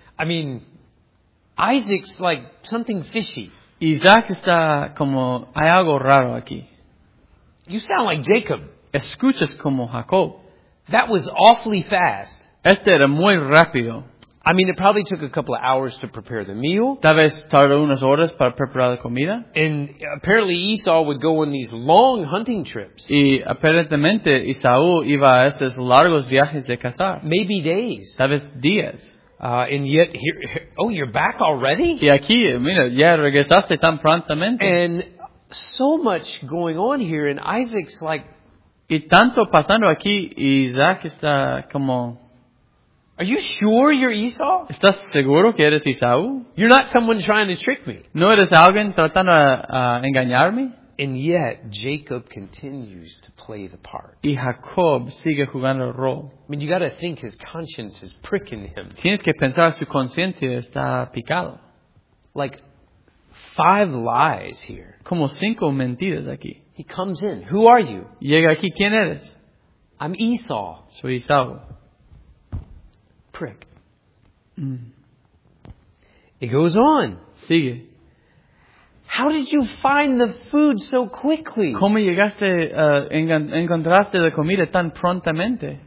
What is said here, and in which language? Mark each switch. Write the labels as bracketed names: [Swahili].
[English] I mean, Isaac's like something fishy. [Spanish] Isaac está como hay algo raro aquí. [English] You sound like Jacob. [Spanish] Escuchas como Jacob. [English] That was awfully fast. [Spanish] Este era muy rápido. [English] I mean, it probably took a couple of hours to prepare the meal. [Spanish] Tal vez tardó unas horas para preparar la comida. [English] And apparently Esau would go on these long hunting trips. [Spanish] Y aparentemente Esau iba a estos largos viajes de cazar. [English] Maybe days. [Spanish] Tal vez días. [English] And yet, here, oh, you're back already? [Spanish] Y aquí, mira, ya regresaste tan prontamente. [English] And so much going on here, and Isaac's like... [Spanish] Y tanto pasando aquí, Isaac está como... [English] Are you sure you're Esau? [Spanish] ¿Estás seguro que eres Esau? [English] You're not someone trying to trick me. [Spanish] ¿No eres alguien tratando a engañarme? [English] And yet, Jacob continues to play the part. [Spanish] Y Jacob sigue jugando el rol. [English] I mean, you got to think his conscience is pricking him. [Spanish] Tienes que pensar su conciencia está picada. [English] Like, five lies here. [Spanish] Como cinco mentiras aquí. [English] He comes in. Who are you? [Spanish] Llega aquí. ¿Quién eres? [English] I'm Esau. [Spanish] Soy Esau. [English] Prick. It goes on. [Spanish] Sigue. [English] How did you find the food so quickly? [Spanish] ¿Cómo llegaste, encontraste la comida tan prontamente?